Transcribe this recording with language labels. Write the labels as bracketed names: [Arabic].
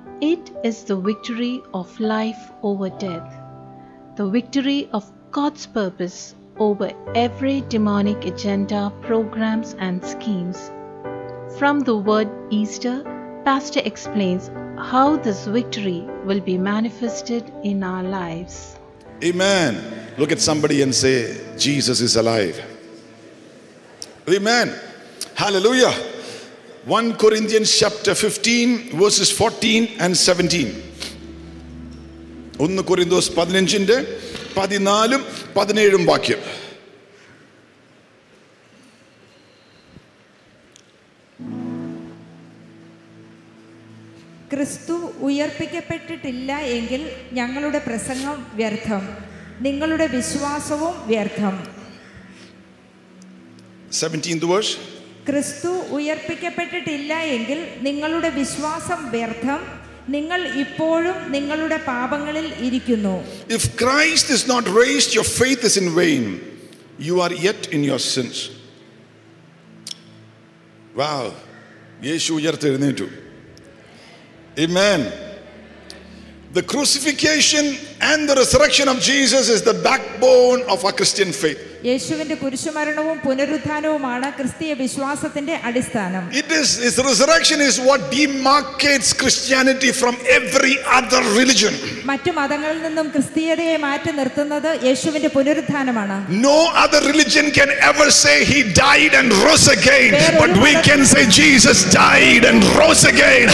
[English] It is the victory of life over death, the victory of God's purpose over every demonic agenda programs and schemes. From the word Easter, pastor explains how this victory will be manifested in our lives. Amen. Look at somebody and say, Jesus is alive. Amen. Hallelujah. 1 Corinthians chapter 15, verses 14 and 17. 1 Corinthians 15, 14 and 17. [Malayalam] ക്രിസ്തു ഉയർപ്പിക്കപ്പെട്ടിട്ടില്ല എങ്കിൽ ഞങ്ങളുടെ പ്രസംഗം വ്യർത്ഥം, നിങ്ങളുടെ വിശ്വാസവും വ്യർത്ഥം. [English] 17th verse. [Malayalam] ക്രിസ്തു ഉയർപ്പിക്കപ്പെട്ടിട്ടില്ല എങ്കിൽ നിങ്ങളുടെ വിശ്വാസം വ്യർത്ഥം, നിങ്ങൾ ഇപ്പോഴും നിങ്ങളുടെ പാപങ്ങളിൽ ഇരിക്കുന്നു. [English] If Christ is not raised, your faith is in vain. You are yet in your sins. [Malayalam] Wow. യേശു ഉയർത്തെഴുന്നേറ്റു. Amen. [English] The crucifixion and the resurrection of Jesus is the backbone of our Christian faith. [Malayalam] യേശുവിന്റെ കുരിശുമരണവും പുനരുത്ഥാനവുമാണ് ക്രിസ്തീയ വിശ്വാസത്തിന്റെ അടിസ്ഥാനം. [English] His resurrection is what demarcates Christianity from every other religion. [Malayalam] മറ്റു മതങ്ങളിൽ നിന്നും ക്രിസ്തീയതയെ മാറ്റി നിർത്തുന്നത് യേശുവിന്റെ പുനരുത്ഥാനമാണ്. [English] No other religion can ever say he died and rose again, but we can say Jesus died and rose again.